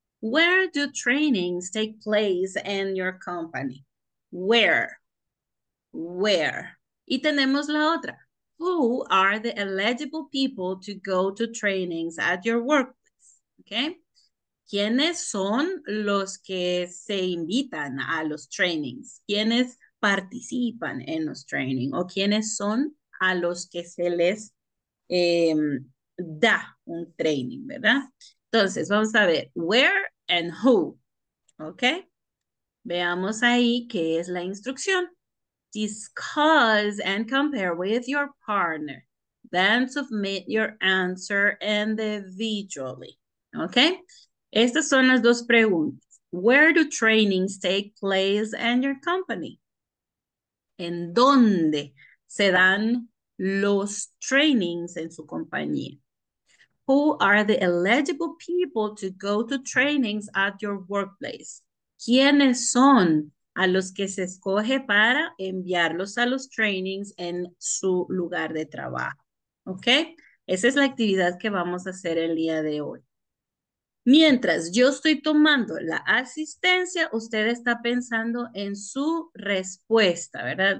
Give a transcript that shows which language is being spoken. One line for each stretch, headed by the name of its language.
English: Where do trainings take place in your company? Where? Where?
Spanish: Y tenemos la otra.
English: Who are the eligible people to go to trainings at your workplace? Okay.
Spanish: ¿Quiénes son los que se invitan a los trainings? ¿Quiénes participan en los trainings? ¿O quiénes son a los que se les da un training, verdad? Entonces, vamos a ver,
English: where and who,
Spanish: okay? Veamos ahí qué es la instrucción.
English: Discuss and compare with your partner. Then submit your answer individually.
Spanish: Okay, estas son las dos preguntas.
English: Where do trainings take place in your company?
Spanish: ¿En dónde se dan los trainings en su compañía?
English: Who are the eligible people to go to trainings at your workplace?
Spanish: ¿Quiénes son a los que se escoge para enviarlos a los trainings en su lugar de trabajo? Okay, esa es la actividad que vamos a hacer el día de hoy. Mientras yo estoy tomando la asistencia, usted está pensando en su respuesta, ¿verdad?